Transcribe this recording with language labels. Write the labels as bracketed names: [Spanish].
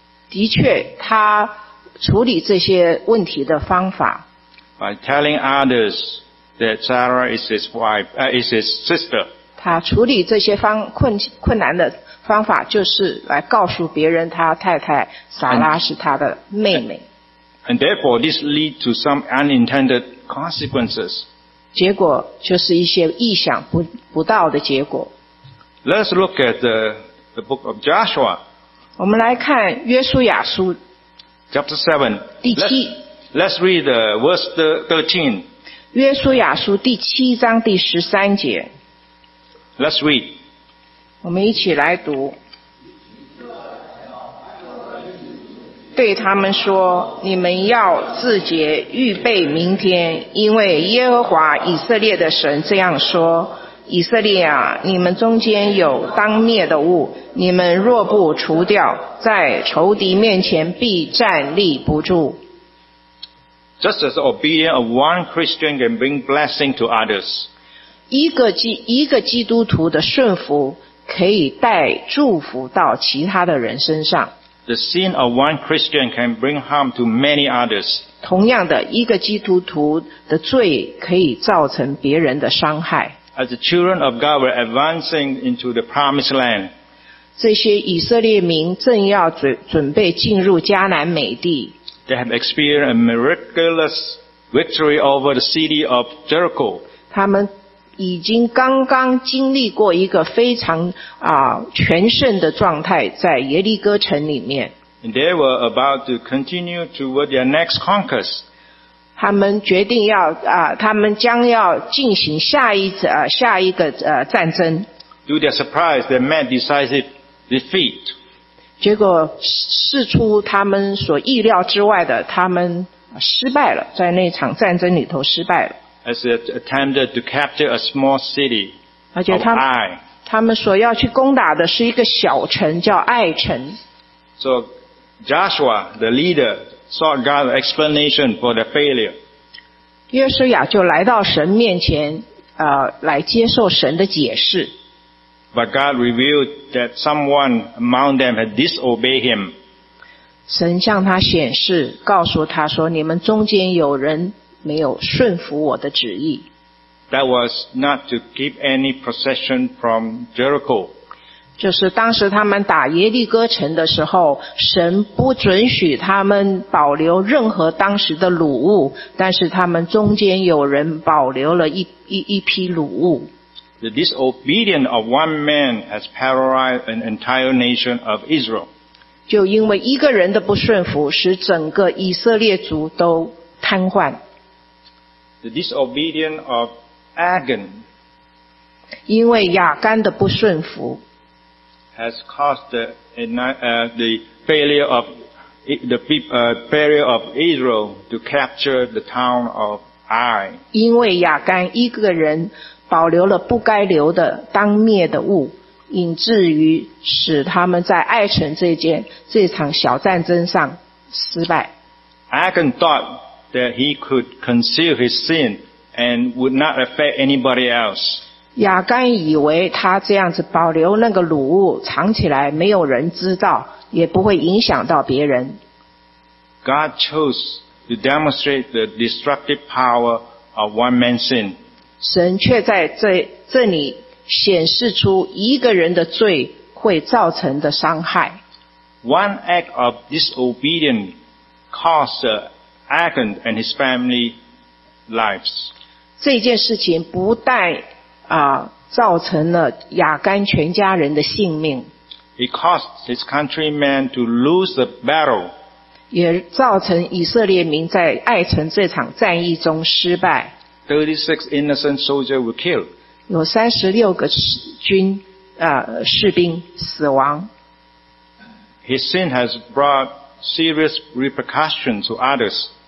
[Chinese] 的确，他处理这些问题的方法。 [English] By telling others. That Sarah is his wife, is his sister. [Chinese] 他处理这些困难的方法就是来告诉别人他太太撒拉是他的妹妹。 [English] And therefore, this leads to some unintended consequences. [Chinese] 结果就是一些意想不到的结果。 [English] Let's look at the book of Joshua. [Chinese] 我们来看约书亚书。 [English] Chapter 7. [Chinese] 第七。 [English] Let's read the verse 13. [Chinese] 约书亚书第七章第十三节 [English] Let's read. [Chinese] 我们一起来读对他们说你们要自洁预备明天因为耶和华以色列的神这样说以色列啊你们中间有当灭的物你们若不除掉在仇敌面前必站立不住 [English] Just as the obedience of one Christian can bring blessing to others. [Chinese] 一个基督徒的顺服可以带祝福到其他的人身上。 [English] The sin of one Christian can bring harm to many others. [Chinese] 同样的，一个基督徒的罪可以造成别人的伤害。 [English] As the children of God were advancing into the promised land. [Chinese] 这些以色列民正要准备进入迦南美地。 [English] They have experienced a miraculous victory over the city of Jericho. [Chinese] 他们已经刚刚经历过一个非常全胜的状态在耶利哥城里面。 [English] And they were about to continue toward their next conquest. [Chinese] 他们决定要他们将要进行下一个战争。 [English] To their surprise, they met decisive defeat. [Chinese] 结果事出他们所意料之外的他们失败了在那场战争里头失败了 [English] as it attempted to capture a small city of Ai. [Chinese] 他们所要去攻打的是一个小城，叫爱城。 [English] So Joshua, the leader, sought God's explanation for the failure. [Chinese] 约书亚就来到神面前，来接受神的解释。 [English] But God revealed that someone among them had disobeyed Him. [Chinese] 神向他显示，告诉他说，你们中间有人没有顺服我的旨意。 [English] That was not to keep any procession from Jericho. [Chinese] 就是当时他们打耶利哥城的时候，神不准许他们保留任何当时的掳物，但是他们中间有人保留了 一批掳物。 [English] The disobedience of one man has paralyzed an entire nation of Israel. [Chinese] 就因为一个人的不顺服，使整个以色列族都瘫痪。 [English] The disobedience of Agan, [Chinese] 因为亚干的不顺服 [English] has caused the failure of the failure of Israel to capture the town of Ai. [Chinese] 因为亚干一个人保留了不该留的当灭的物，引致于使他们在爱城这场小战争上失败。 [English] Agan thought that he could conceal his sin and would not affect anybody else. [Chinese] 亚干以为他这样子保留那个掳物藏起来，没有人知道，也不会影响到别人。 [English] God chose to demonstrate the destructive power of one man's sin. [Chinese] 神却在这里显示出一个人的罪会造成的伤害。 [English] One act of disobedience caused Agan and his family lives. [Chinese] 这件事情不但造成了亚干全家人的性命。 [English] It caused his countrymen to lose the battle. [Chinese] 也造成以色列民在爱城这场战役中失败。 [English] 36 innocent soldiers were killed. [Chinese] 有36个士兵死亡。 [English] His sin has brought serious repercussions to others.